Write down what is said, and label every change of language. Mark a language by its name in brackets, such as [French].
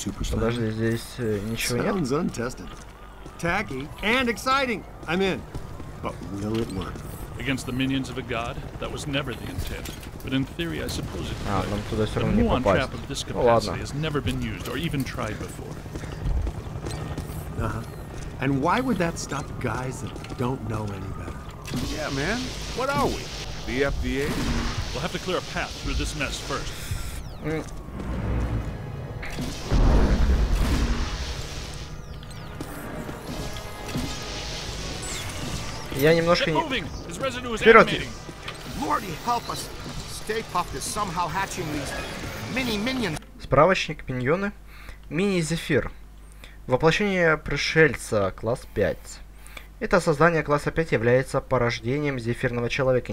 [Russian] Подожди, здесь ничего нет? [English] Tacky and exciting. I'm in. But will it work? Against the minions of a god, that was never the intent. But in theory, I suppose it could. [Russian] Нам туда все равно не попасть. [English] Trap of this capacity has never been used or even tried before. And why would that stop guys that don't know any better? Yeah, man. What are we? The FDA? We'll have to clear a path through this mess first. [Russian] Я немножко не... Вперед! [English] Lordy, help us. Stay puffed is somehow hatching these mini-minions. [Russian] Справочник, миньоны. Мини-зефир. Воплощение пришельца, класс 5. Это создание класса 5 является порождением зефирного человека.